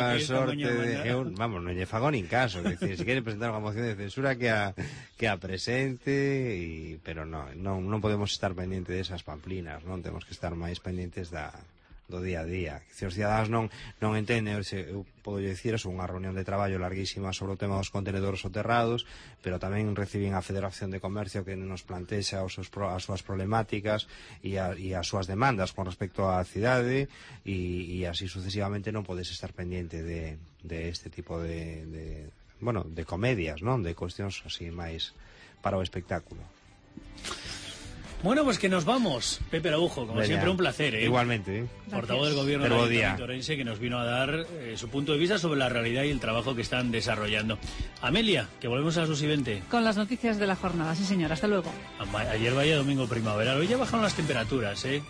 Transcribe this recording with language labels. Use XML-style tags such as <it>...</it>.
<gl>no lle fago nin caso.</gl> <es>Es decir, si quiere presentar una moción de censura, que a presente, pero no podemos estar pendientes de esas pamplinas, ¿no? Tenemos que estar más pendientes da...</es> <gl>do día a día. Se os cidadáns non entende, eu podo dicir, son unha reunión de traballo larguísima sobre o tema dos contenedores soterrados, pero tamén recibín a Federación de Comercio que nos plantexa as súas problemáticas e as súas demandas con respecto á cidade e así sucesivamente non podes estar pendiente de este tipo de comedias, non? De cuestións así máis para o espectáculo.</gl> <es>Bueno, pues que nos vamos, Pepe Araújo, como Bella. Siempre un placer, ¿eh? Igualmente. Portavoz del gobierno del Ayuntamiento Orense, que nos vino a dar su punto de vista sobre la realidad y el trabajo que están desarrollando. Amelia, que volvemos a su siguiente. Con las noticias de la jornada, sí señor, hasta luego. Ayer vaya domingo primaveral, hoy ya bajaron las temperaturas, ¿eh?</es>